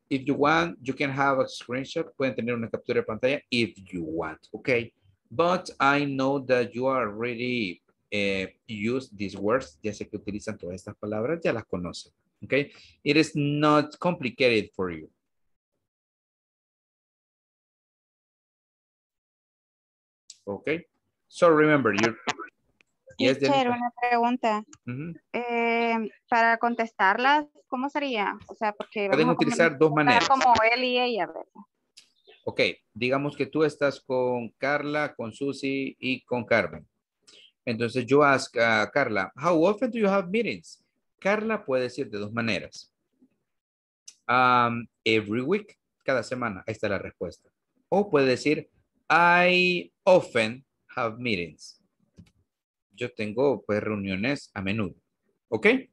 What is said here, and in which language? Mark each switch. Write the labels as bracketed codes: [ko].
[en] If you want, you can have a screenshot. [es] Pueden tener una captura de pantalla [en] if you want. Okay, but I know that you already use these words. [es] Ya sé que utilizan todas estas palabras, ya las conocen. [en] Okay, it is not complicated for you. Okay, so remember you. Yes, teacher, [es] una pregunta. Uh-huh. Para contestarlas, ¿cómo sería? O sea, porque pueden utilizar dos maneras. Como él y ella, ¿verdad? Ok, digamos que tú estás con Carla, con Susy y con Carmen. Entonces yo [en] ask a Carla, how often do you have meetings? [es] Carla puede decir de dos maneras. [en] Every week, [es] cada semana, ahí está la respuesta. O puede decir, [en] I often have meetings. [es] Yo tengo pues reuniones a menudo. ¿Ok?